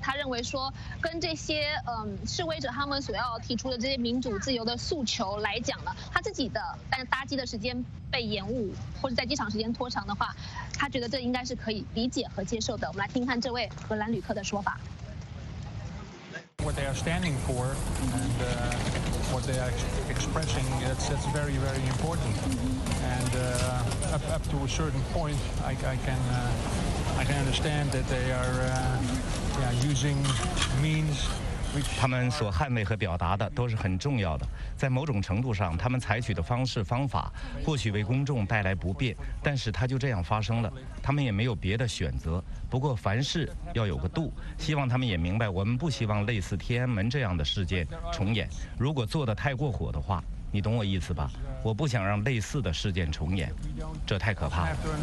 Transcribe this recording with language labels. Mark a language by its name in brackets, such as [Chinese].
[Chinese] 他认为说跟这些示威者他们所要提出的这些民主自由的诉求来讲呢，他自己的但搭机的时间被延误或者在机场时间拖长的话，他觉得这应该是可以理解和接受的。我们来听看这位荷兰旅客的说法。 [English] What they are standing for and what they are expressing, it's very, very important. And up to a certain point, I can understand that they are using means. [Chinese] 他们所捍卫和表达的都是很重要的，在某种程度上他们采取的方式方法或许为公众带来不便，但是它就这样发生了，他们也没有别的选择。不过凡事要有个度，希望他们也明白我们不希望类似天安门这样的事件重演，如果做得太过火的话，你懂我意思吧，我不想让类似的事件重演，这太可怕了。